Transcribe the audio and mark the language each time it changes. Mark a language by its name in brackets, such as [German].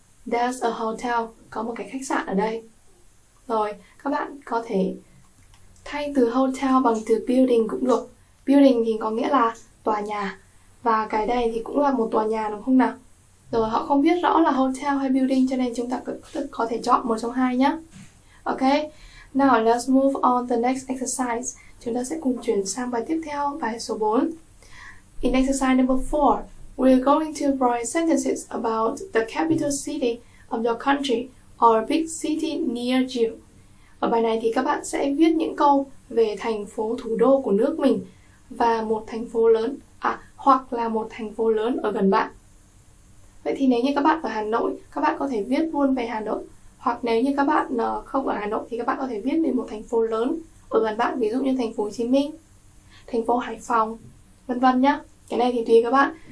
[English] There's a hotel. [Vietnamese] Có một cái khách sạn ở đây. Rồi, các bạn có thể thay từ hotel bằng từ building cũng được. Building thì có nghĩa là tòa nhà. Và cái này thì cũng là một tòa nhà đúng không nào? Rồi, họ không biết rõ là hotel hay building cho nên chúng ta có thể chọn một trong hai nhé. [English] Ok, now let's move on to the next exercise. [Vietnamese] Chúng ta sẽ cùng chuyển sang bài tiếp theo, bài số 4. [English] In exercise number 4, we're going to write sentences about the capital city of your country or a big city near you. [Vietnamese] Ở bài này thì các bạn sẽ viết những câu về thành phố thủ đô của nước mình và một thành phố lớn, hoặc là một thành phố lớn ở gần bạn. Vậy thì nếu như các bạn ở Hà Nội, các bạn có thể viết luôn về Hà Nội. Hoặc nếu như các bạn không ở Hà Nội thì các bạn có thể viết về một thành phố lớn ở gần bạn, ví dụ như thành phố Hồ Chí Minh, thành phố Hải Phòng, vân vân nhá. Cái này thì tùy các bạn.